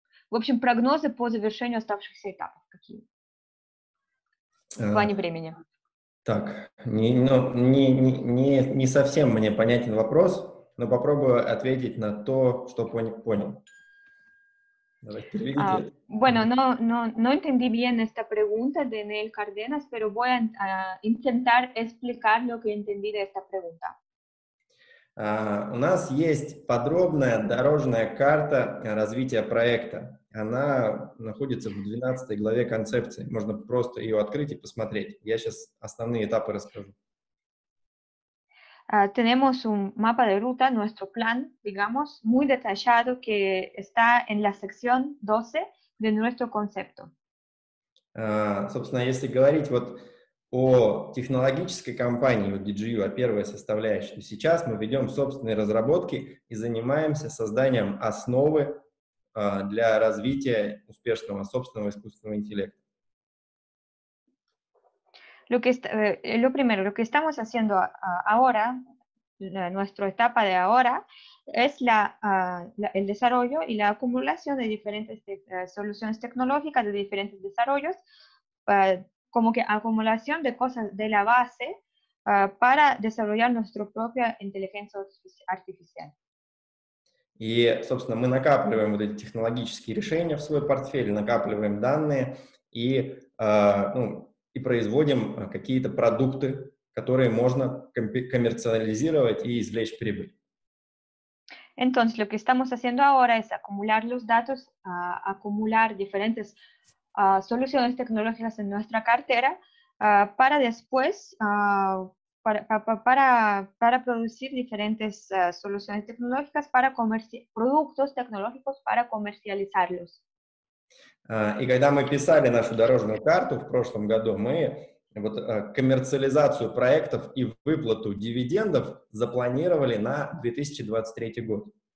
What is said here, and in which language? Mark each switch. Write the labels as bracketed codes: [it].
[ru] В общем, прогнозы по завершению оставшихся этапов какие? В плане времени. Так, не совсем мне понятен вопрос, но попробую ответить на то, что понял. [es] Bueno, no entendí bien esta pregunta de Neil Cárdenas, pero voy a intentar explicar lo que entendí de esta pregunta. [ru] У нас есть подробная дорожная карта развития проекта. Она находится в 12 главе концепции. Можно просто ее открыть и посмотреть. Я сейчас основные этапы расскажу. [es] Tenemos un mapa de ruta, nuestro plan, digamos, muy detallado que está en la sección 12 de nuestro concepto. [ru] Собственно, если говорить вот о технологической компании вот DGU, о первой составляющей, то сейчас мы ведем собственные разработки и занимаемся созданием основы для развития успешного собственного искусственного интеллекта. [es] Lo primero, lo que estamos haciendo ahora, nuestra etapa de ahora, es el desarrollo y la acumulación de diferentes soluciones tecnológicas, de diferentes desarrollos, como que acumulación de cosas de la base para desarrollar nuestra propia inteligencia artificial. [ru] И, собственно, мы накапливаем вот эти технологические решения в свой портфель, накапливаем данные и, ну, и производим какие-то продукты, которые можно коммерциализировать и извлечь прибыль. [es] Entonces, lo que estamos haciendo ahora es acumular los datos, acumular diferentes soluciones tecnológicas en nuestra cartera para después, para producir diferentes soluciones tecnológicas, para productos tecnológicos para comercializarlos. Y cuando [ru] мы писали нашу дорожную карту в прошлом году, мы вот коммерциализацию проектов и выплату дивидендов запланировали на 2023 год.